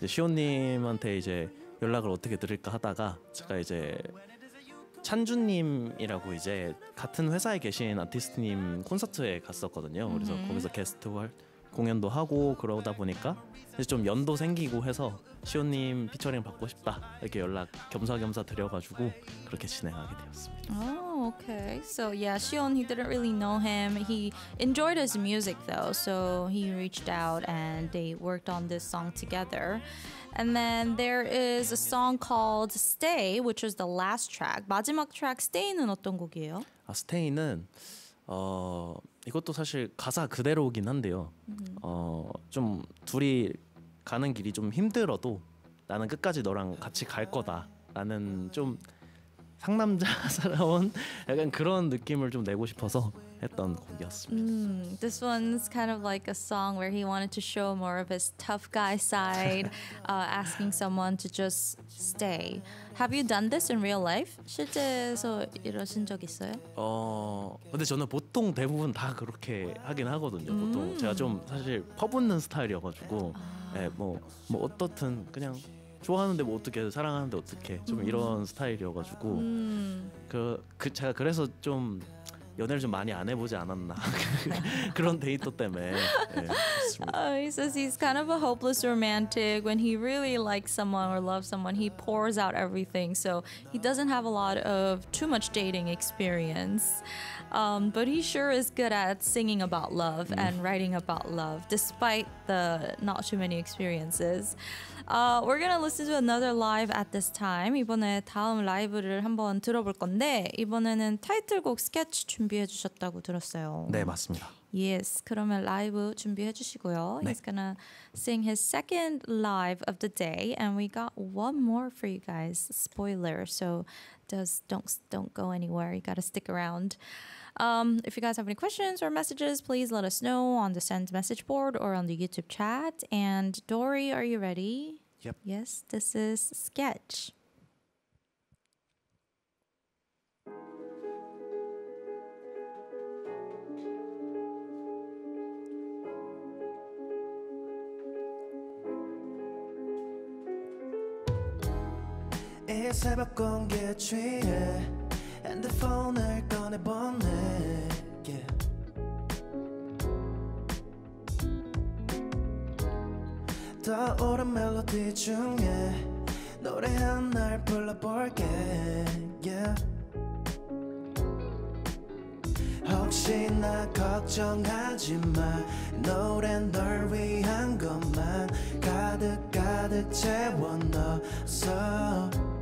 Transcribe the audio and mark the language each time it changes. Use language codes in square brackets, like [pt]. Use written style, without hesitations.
[ko] 시온님한테 이제 연락을 어떻게 드릴까 하다가 제가 이제 찬주님이라고 이제 같은 회사에 계신 아티스트님 콘서트에 갔었거든요. 그래서 거기서 게스트 공연도 하고 그러다 보니까 이제 좀 연도 생기고 해서 시온님 피처링 받고 싶다 이렇게 연락 겸사겸사 드려가지고 그렇게 진행하게 되었습니다. [en] Oh, okay. So yeah, Sion, he didn't really know him. He enjoyed his music though. So he reached out and they worked on this song together. And then there is a song called Stay, which was the last track. [ko] 마지막 track, Stay는 어떤 곡이에요? 아, Stay는 이것도 사실 가사 그대로긴 한데요. 좀 둘이 가는 길이 좀 힘들어도 나는 끝까지 너랑 같이 갈 거다. 나는 좀 상남자스러운 약간 그런 느낌을 좀 내고 싶어서 했던 곡이었습니다. [en] This one's kind of like a song where he wanted to show more of his tough guy side, asking someone to just stay. Have you done this in real life? [ko] 실제에서 이러신 적 있어요? 근데 저는 보통 대부분 다 그렇게 하긴 하거든요. 보통 제가 좀 사실 퍼붓는 스타일이어가지고 뭐 어떻든 그냥 좋아하는데 뭐 어떻게 사랑하는데 어떻게 좀 이런 스타일이어가지고 제가 그래서 좀 연애를 좀 많이 안 해보지 않았나 그런 데이터 때문에 네, [en] He says he's kind of a hopeless romantic. When he really likes someone or loves someone, he pours out everything. So he doesn't have a lot of too much dating experience. But he sure is good at singing about love and writing about love, despite the not too many experiences. We're gonna listen to another live at this time. [ko] 이번에 다음 라이브를 한번 들어볼 건데 이번에는 타이틀곡 Sketch 준비해 주셨다고 들었어요. 네, 맞습니다. Yes, 그러면 라이브 준비해 주시고요. 네. [en] He's gonna sing his second live of the day, and we got one more for you guys. Spoiler, so don't go anywhere. You gotta stick around. If you guys have any questions or messages, please let us know on the Send message board or on the YouTube chat. And Dory, are you ready? Yep. Yes, this is Sketch. It's about going to get you. And the phone is gonna bomb it, yeah. [ko] 떠오른 멜로디 중에 노래 하나를 불러볼게, yeah. 혹시나 걱정하지 마. 노래 널 위한 것만 가득 채워 넣어서.